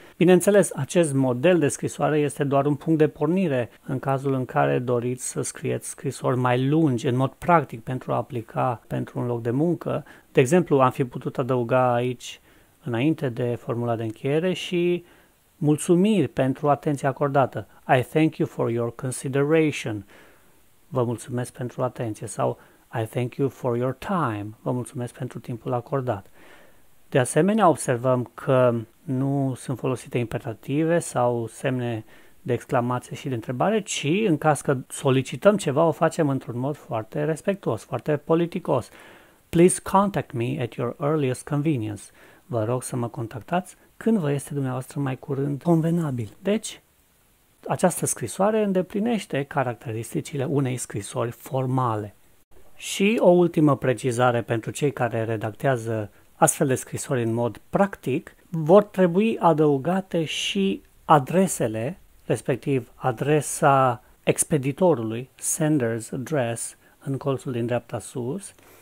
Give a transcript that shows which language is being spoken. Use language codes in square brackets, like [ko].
[ro] Bineînțeles, acest model de scrisoare este doar un punct de pornire în cazul în care doriți să scrieți scrisori mai lungi, în mod practic, pentru a aplica pentru un loc de muncă. De exemplu, am fi putut adăuga aici, înainte de formula de încheiere, și mulțumiri pentru atenția acordată. [en] I thank you for your consideration. [ro] Vă mulțumesc pentru atenție. Sau [en] I thank you for your time. [ro] Vă mulțumesc pentru timpul acordat. De asemenea, observăm că nu sunt folosite imperative sau semne de exclamație și de întrebare, ci în caz că solicităm ceva, o facem într-un mod foarte respectuos, foarte politicos. [en] Please contact me at your earliest convenience. [ro] Vă rog să mă contactați când vă este dumneavoastră mai curând convenabil. Deci, această scrisoare îndeplinește caracteristicile unei scrisori formale. Și o ultimă precizare pentru cei care redactează astfel de scrisori în mod practic, vor trebui adăugate și adresele, respectiv adresa expeditorului, [en] sender's address, [ro] în colțul din dreapta sus,